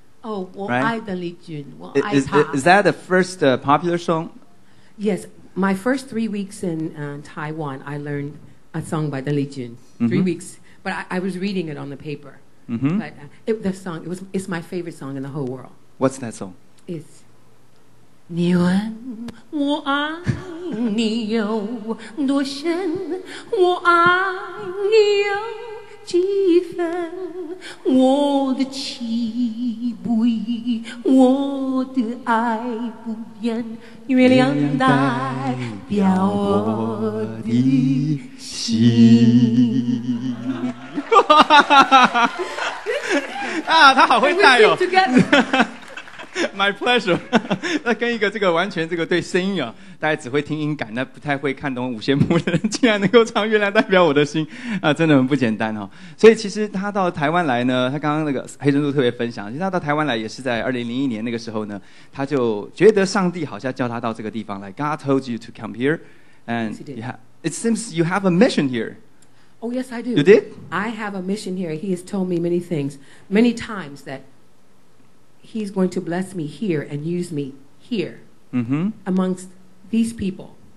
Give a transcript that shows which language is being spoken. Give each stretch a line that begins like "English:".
Chinese: Oh, 我爱的李俊, 我爱他.
English: Is that the first popular song? Yes, my first 3 weeks in Taiwan, I learned a song by 邓丽君.Mm-hmm. 3 weeks, but I was reading it on the paper. Mm-hmm. But it's my favorite song in the whole world. What's that song?
Chinese: It's 你问我爱你有多深，我爱你有几分，我的情不移，我的爱不变，月亮代表我的心。啊，他好会带哦。
English: My pleasure.
Chinese: 那跟一个这个完全这个对声音啊，大家只会听音感，那不太会看懂五线谱的人，竟然能够唱《月亮代表我的心》啊，真的很不简单哦。所以其实他到台湾来呢，他刚刚那个黑珍珠特别分享，其实他到台湾来也是在2001年那个时候呢，他就觉得上帝好像叫他到这个地方来。
English: God told you to come here, and it seems you have a mission here. Oh yes, I do. You did? I have a mission here. He has told me many things, many times that. He's going to bless me here and use me here、 mm-hmm. amongst these people.